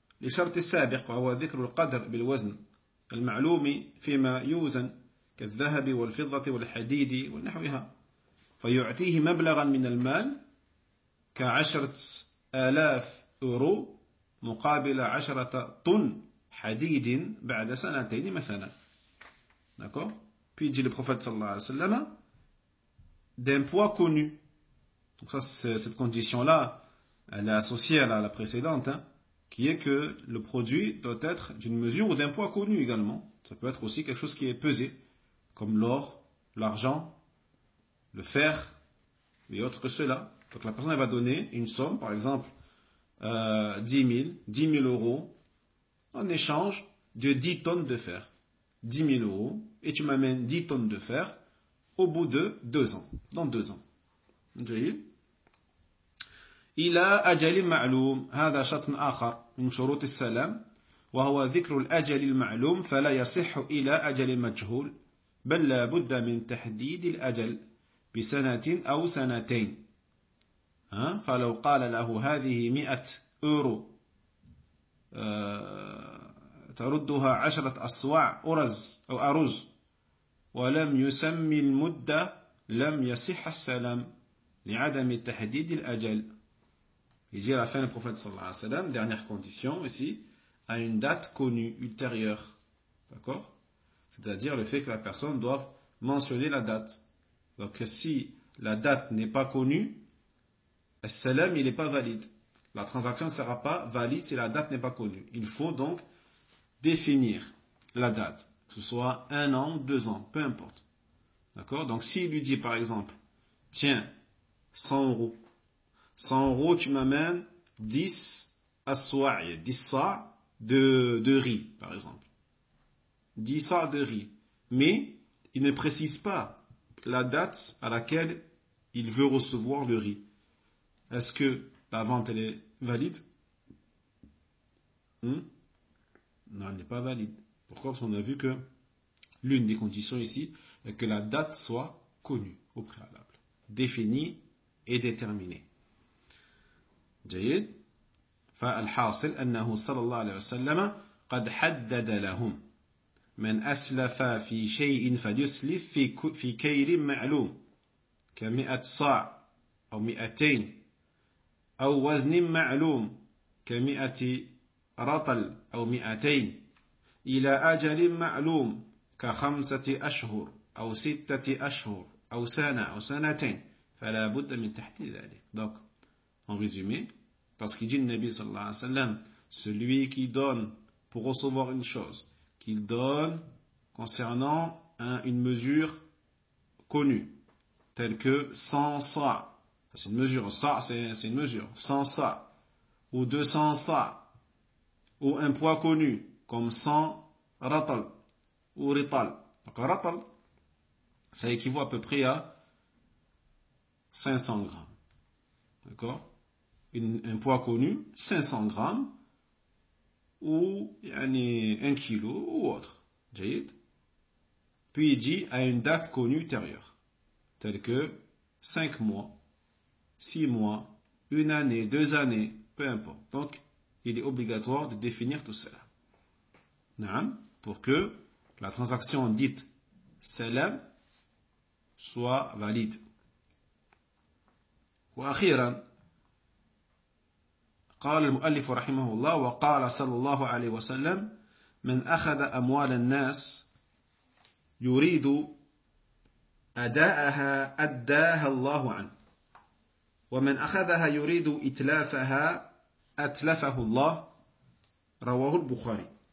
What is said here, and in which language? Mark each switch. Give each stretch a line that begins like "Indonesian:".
Arabic: لشرط السابق وهو ذكر القدر بالوزن المعلوم فيما يوزن كالذهب والفضة والحديد ونحوها فيعطيه مبلغا من المال كعشرة آلاف أورو مقابل عشرة طن حديد بعد سنتين مثلا
French: d'accord puis dit le prophète
Arabic: صلى الله عليه وسلم
French: d'un poids connu. Donc ça, c'est cette condition là elle est associée à la précédente, hein, qui est que le produit doit être d'une mesure ou d'un poids connu également. Ça peut être aussi quelque chose qui est pesé, comme l'or, l'argent, le fer, et autre que cela. Donc la personne elle va donner une somme, par exemple, 10 000 euros, en échange de 10 tonnes de fer. 10 000 euros, et tu m'amènes 10 tonnes de fer au bout de deux ans, dans deux ans. J'ai dit.
Arabic: إلى أجل معلوم هذا شرط آخر من شروط السلام وهو ذكر الأجل المعلوم فلا يصح إلى أجل مجهول بل لا بد من تحديد الأجل بسنة أو سنتين فلو قال له هذه 100 أورو تردها 10 أصواع أرز أو أرز ولم يسمي المدة لم يصح السلام لعدم تحديد الأجل.
French: Il dit à la fin du prophète
Arabic: sallallahu alayhi wa sallam,
French: dernière condition ici, à une date connue ultérieure. D'accord ? C'est-à-dire le fait que la personne doive mentionner la date. Donc si la date n'est pas connue, as-salam, il n'est pas valide. La transaction ne sera pas valide si la date n'est pas connue. Il faut donc définir la date, que ce soit un an ou deux ans, peu importe. D'accord ? Donc s'il lui dit par exemple, tiens, 100 euros. 100 euros, tu m'amènes 10 assoi, 10 sa de riz, par exemple. 10 sa de riz. Mais, il ne précise pas la date à laquelle il veut recevoir le riz. Est-ce que la vente, elle est valide? Non, elle n'est pas valide. Pourquoi? Parce qu'on a vu que l'une des conditions ici est que la date soit connue au préalable, définie et déterminée.
Arabic: جيد فالحاصل أنه صلى الله عليه وسلم قد حدد لهم من أسلف في شيء فليسلف في كير معلوم كمئة صاع أو مئتين أو وزن معلوم كمئة رطل أو مئتين إلى أجل معلوم كخمسة أشهر أو ستة أشهر أو سنة أو سنتين فلا بد من تحديد ذلك.
French: Donc, en résumé, parce qu'il dit le Nabi
Arabic: sallallahu alayhi wa sallam,
French: celui qui donne pour recevoir une chose, qu'il donne concernant une mesure connue, telle que 100 sa, c'est une mesure, sa c'est une mesure, 100 sa, ou 200 sa, ou un poids connu, comme 100 ratal, ou rital. Donc un ratal, ça équivaut à peu près à 500 grammes. D'accord? Un poids connu, 500 grammes, ou yani, un kilo ou autre. Jayid. Puis il dit à une date connue ultérieure, telle que 5 mois, 6 mois, une année, deux années, peu importe. Donc, il est obligatoire de définir tout cela. Naam, pour que la transaction dite salam soit valide.
Arabic: وأخيراً قال المؤلف رحمه الله وقال صلى الله عليه وسلم من أخذ أموال الناس يريد أداءها أداها الله عنه ومن أخذها يريد إتلافها أتلفه الله رواه البخاري